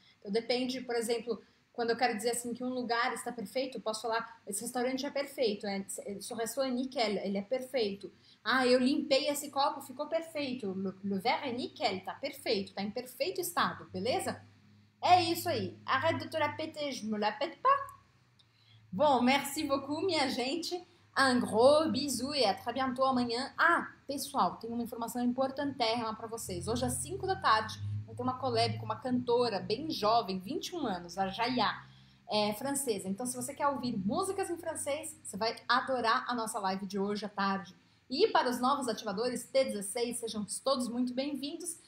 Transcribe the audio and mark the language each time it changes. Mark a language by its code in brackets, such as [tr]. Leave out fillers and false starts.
[pt] Então depende, por exemplo, quando eu quero dizer assim que um lugar está perfeito, eu posso falar, esse restaurante é perfeito, é [fr] son restaurant nickel, [pt] ele é perfeito. Ah, eu limpei esse copo, ficou perfeito. [fr] Le verre est nickel, [pt] tá perfeito, tá em perfeito estado, beleza? É isso aí. [fr] Arrête de te répéter, je me répète pas. [pt] Bom, [fr] merci beaucoup, [pt] minha gente. [fr] Un gros bisou et à très bientôt amanhã. [pt] Ah, pessoal, tem uma informação importantérrima para vocês. Hoje, às 5 da tarde, vai ter uma collab com uma cantora bem jovem, 21 anos, a Jaya, é francesa. Então, se você quer ouvir músicas em francês, você vai adorar a nossa live de hoje à tarde. E para os novos ativadores T16, sejam todos muito bem-vindos.